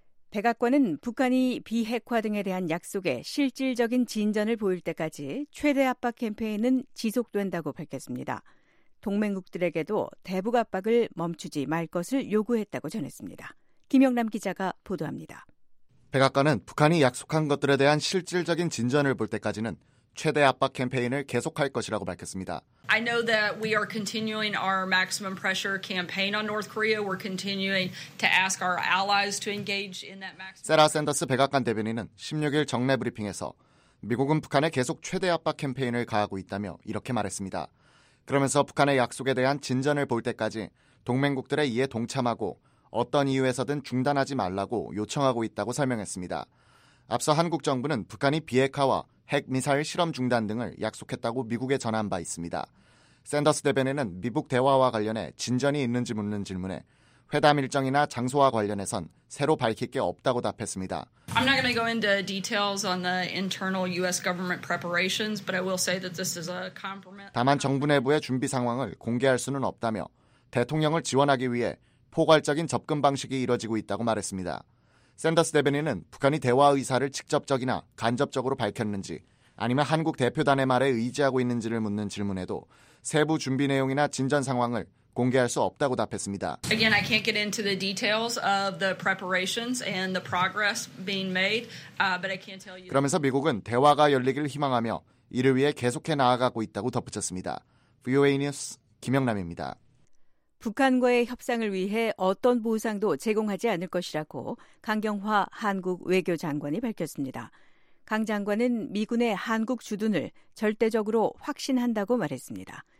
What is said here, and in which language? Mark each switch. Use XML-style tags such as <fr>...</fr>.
<ko>백악관은 북한이 비핵화 등에 대한 약속에 실질적인 진전을 보일 때까지 최대 압박 캠페인은 지속된다고 밝혔습니다. 동맹국들에게도 대북 압박을 멈추지 말 것을 요구했다고 전했습니다. 김영남 기자가 보도합니다. 백악관은 북한이 약속한 것들에 대한 실질적인 진전을 볼 때까지는 최대 압박 캠페인을 계속할 것이라고 밝혔습니다.</ko> <en>I know that we are continuing our maximum pressure campaign on North Korea. We're continuing to ask our allies to engage in that maximum.</en> <ko>세라 샌더스 백악관 대변인은 16일 정례 브리핑에서 미국은 북한에 계속 최대 압박 캠페인을 가하고 있다며 이렇게 말했습니다. 그러면서 북한의 약속에 대한 진전을 볼 때까지 동맹국들의 이에 동참하고 어떤 이유에서든 중단하지 말라고 요청하고 있다고 설명했습니다. 앞서 한국 정부는 북한이 비핵화와 핵미사일 실험 중단 등을 약속했다고 미국에 전한 바 있습니다. 샌더스 대변인은 미북 대화와 관련해 진전이 있는지 묻는 질문에 회담 일정이나 장소와 관련해선 새로 밝힐 게 없다고 답했습니다.</ko> <en>I'm not going to go into details on the internal U.S. government preparations, but I will say that this is a compromise.</en> <ko>다만 정부 내부의 준비 상황을 공개할 수는 없다며 대통령을 지원하기 위해 포괄적인 접근 방식이 이뤄지고 있다고 말했습니다. 샌더스 대변인은 북한이 대화 의사를 직접적이나 간접적으로 밝혔는지 아니면 한국 대표단의 말에 의지하고 있는지를 묻는 질문에도 세부 준비 내용이나 진전 상황을 공개할 수 없다고 답했습니다.</ko> <en>Again, I can't get into the details of the preparations and the progress being made, but I can tell you.</en> <ko>그러면서 미국은 대화가 열리기를 희망하며 이를 위해 계속해 나아가고 있다고 덧붙였습니다. VOA 뉴스 김영남입니다. 북한과의 협상을 위해 어떤 보상도 제공하지 않을 것이라고 강경화 한국 외교장관이 밝혔습니다. 강 장관은 미군의 한국 주둔을 절대적으로 확신한다고 말했습니다.</ko>